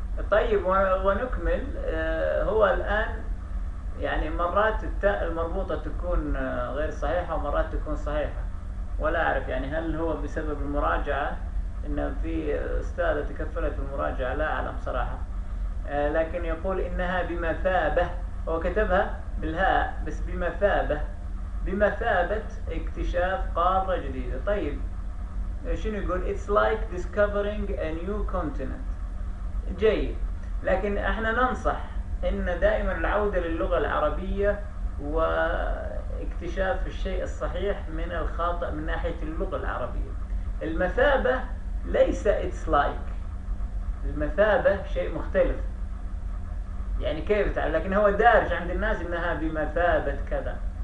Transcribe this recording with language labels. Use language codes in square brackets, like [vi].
[ar] طيب ونكمل، هو الآن يعني مرات التاء المربوطة تكون غير صحيحة ومرات تكون صحيحة، ولا أعرف يعني هل هو بسبب المراجعة، إن في أستاذة تكفلت المراجعة، لا أعلم صراحة. لكن يقول إنها بمثابة، هو كتبها بالهاء بس بمثابة، بمثابة اكتشاف قارة جديدة. طيب شنو يقول؟ [en] It's like discovering a new continent. [ar] جيد، لكن احنا ننصح ان دائما العودة للغة العربية واكتشاف الشيء الصحيح من الخاطئ من ناحية اللغة العربية. المثابة ليس [en] it's like، [ar] المثابة شيء مختلف، يعني كيف تعرف؟ لكن هو دارج عند الناس انها بمثابة كذا.